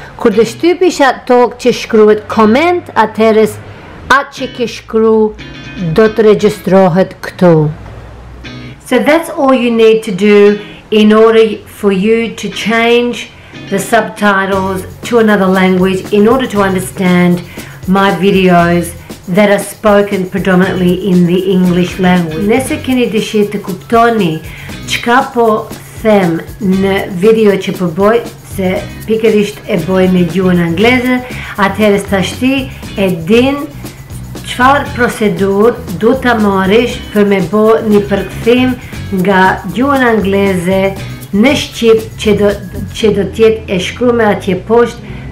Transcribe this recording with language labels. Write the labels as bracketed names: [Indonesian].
[Albanian] Kur dhe shtypi shat tok që shkruet comment, atëres atë që ke shkru do të registrohet këtu. [English] So that's all you need to do in order for you to change the subtitles to another language in order to understand my videos that are spoken predominantly in the English language. [Albanian] Nëse keni dëshirë të kuptoni çka po them në video që po bëj, se pikërisht e bëj me gjuhën angleze, atëherë tashti e din çfarë procedurë do ta marrësh për me bë një përkthim nga gjuhën angleze në shqip që do tjetë e shkruar atje poshtë.